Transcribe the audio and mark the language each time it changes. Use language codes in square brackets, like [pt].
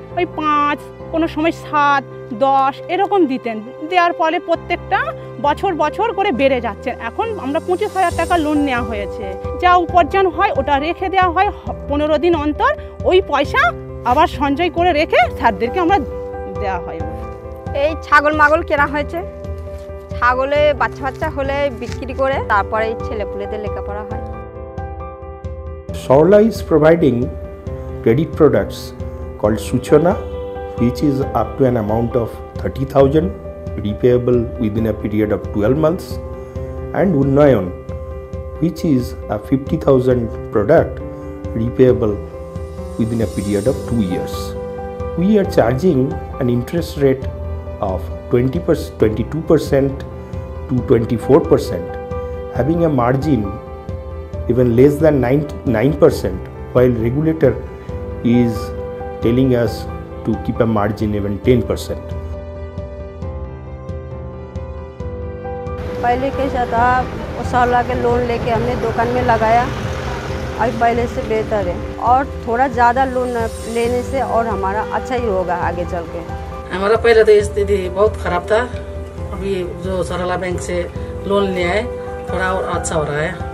[bn] ওই পাঁচ, কোনো সময় সাত, দশ এরকম দিতেন, দেওয়ার ফলে প্রত্যেকটা বছর বছর করে বেড়ে যাচ্ছে, এখন আমরা 25,000 টাকা লোন নেওয়া হয়েছে, যা উপার্জন হয় ওটা রেখে দেওয়া হয়, 15 দিন অন্তর ওই পয়সা আবার সঞ্চয় করে রেখে স্যারদেরকে আমরা দেওয়া হয়। এই ছাগল মাগল কেনা হয়েছে, ছাগলে বাচ্চা বাচ্চা হলে বিক্রি করে তারপরে ছেলে পুলেদের লেখাপড়া হয়। [en] Sarala is providing credit products called Suchana, which is up to an amount of 30,000, repayable within a period of 12 months, and Unnayan, which is a 50,000 product, repayable within a period of 2 years. we are charging an interest rate of 22% to 24%, having a margin even less than 9%, while regulator is telling us to keep a margin even 10%. [hi] पहले कैसा था, उस साल आके loan लेके हमने दुकान में लगाया, अब पहले से बेहतर है और थोड़ा ज़्यादा लोन लेने से और हमारा अच्छा ही होगा आगे चल के। हमारा पहले तो स्थिति बहुत ख़राब था, अभी जो सरला बैंक से लोन लिया है थोड़ा और अच्छा हो रहा है।